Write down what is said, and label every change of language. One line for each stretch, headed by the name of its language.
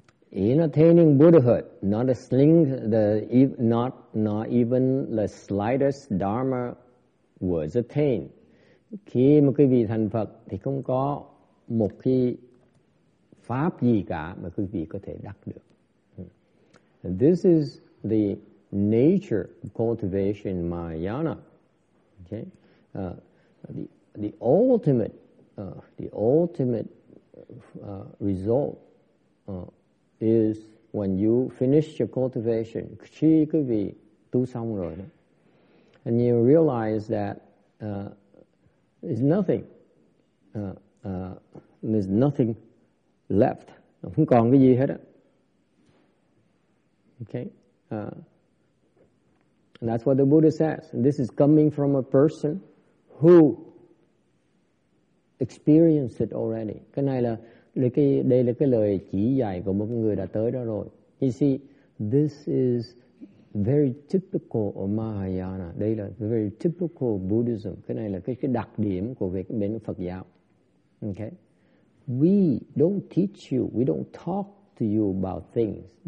English: In attaining Buddhahood, not a sling the not even the slightest Dharma was attained.
Vietnamese: Khi mà quý vị thành Phật thì không có một cái pháp gì cả mà quý vị có thể đắc được.
English: This is the nature of cultivation Mahayana. Okay, the ultimate result is when you finish your cultivation.
Vietnamese: Chỉ quý vị tu xong rồi, đó.
English: And you realize that there's nothing. There's nothing left,
Vietnamese: không còn cái gì hết á. Okay,
English: And that's what the Buddha says. And this is coming from a person who experienced it already.
Vietnamese: Cái này là đây là cái lời chỉ dạy của một người đã tới đó rồi.
English: You see, this is very typical of Mahayana.
Vietnamese: Đây là
English: very typical Buddhism.
Vietnamese: Cái này là cái đặc điểm của việc bên Phật giáo.
English: Okay. We don't teach you, we don't talk to you about things.